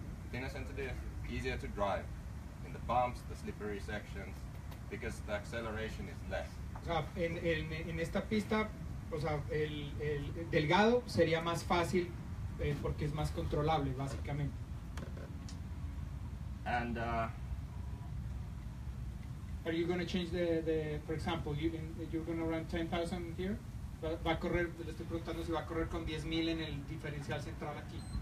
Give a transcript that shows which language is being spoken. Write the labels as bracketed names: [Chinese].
[English] Thinner center diff, easier to drive in the bumps, the slippery sections, because the acceleration is less. [Spanish] O sea, en esta pista, o sea, el delgado sería más fácil porque es más controlable, básicamente. [English] And are you going to change the for example, you're going to run 10,000 here? [Spanish] Va a correr, le estoy preguntando si va a correr con 10,000 en el diferencial central aquí.